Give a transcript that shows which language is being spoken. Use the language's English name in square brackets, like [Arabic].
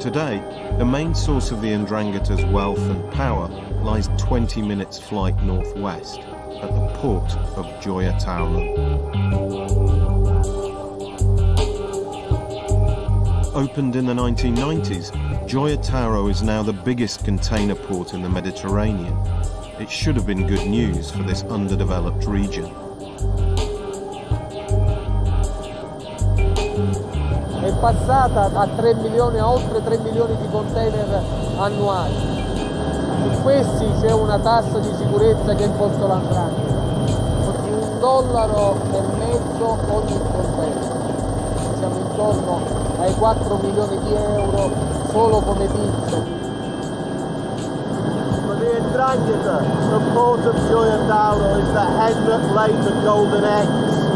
[English] Today, the main source of the Ndrangheta's wealth and power lies 20 minutes flight northwest at the port of Gioia Tauro. Opened in the 1990s, Gioia Tauro is now the biggest container port in the Mediterranean. It should have been good news for this underdeveloped region. [Italian] È passata da 3 milioni a oltre 3 milioni di container annuali. Su questi c'è una tassa di sicurezza che ha imposto la 'Ndrangheta. Un dollaro e mezzo ogni container. Siamo intorno ai 4 milioni di euro solo come tizio. [English] For the 'Ndrangheta, the port of Gioia Tauro is the hen that laid the golden eggs.